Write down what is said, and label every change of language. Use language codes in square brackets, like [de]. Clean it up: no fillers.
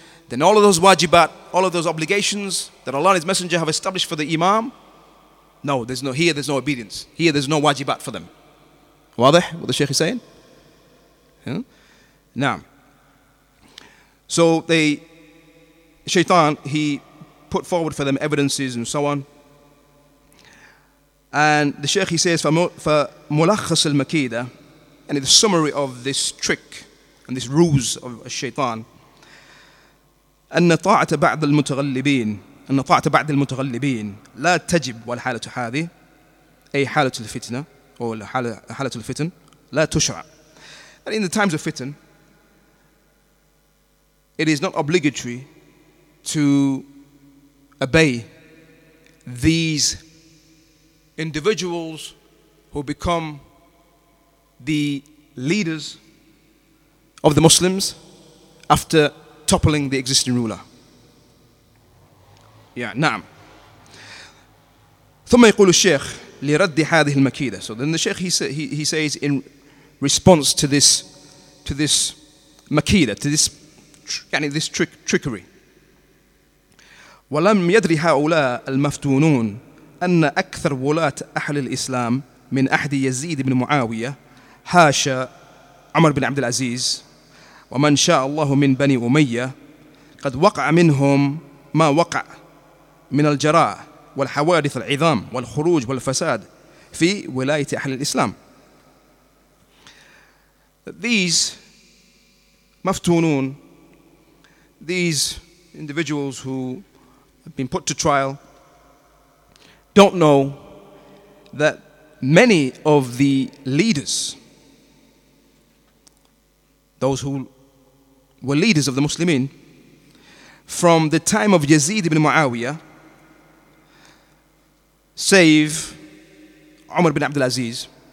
[en] Then all of those wajibat, all of those obligations that Allah and his messenger have established for the imam, no, there's no, here there's no obedience. Here there's no wajibat for them. Wadih? What the Shaykh is saying? Now, so they, Shaytan, he put forward for them evidences and so on. And the Shaykh, he says, for mulakhas al-makida, and in the summary of this trick and this ruse of Shaytan, [ar] أن طاعة بعض المتغلبين أن طاعة بعض المتغلبين لا تجب والحالة هذه أي حالة الفتنة أو حالة الفتن لا تشرع. [en] And in the times of fitn, it is not obligatory to obey these individuals who become the leaders of the Muslims after toppling the existing ruler. Yeah, na'am. [ar] ثم يقول الشيخ لرد هذه المكيدة. [en] So then the Shaykh, he says in response to this makida, to this, يعني this trickery. [ar] ولم يدري هؤلاء المفتونون أن أكثر ولاة أهل الإسلام من أحد يزيد بن معاوية هاشا عمر بن عبد العزيز ومن شاء الله من بني أمية قد وقع منهم ما وقع من الجراء والحوادث العظام والخروج والفساد في ولاية أهل الإسلام. [en] These مفتونون, these individuals who have been put to trial, don't know that many of the leaders, those who were leaders of the Muslimin, from the time of Yazid ibn Muawiyah, save Umar ibn Abdul Aziz,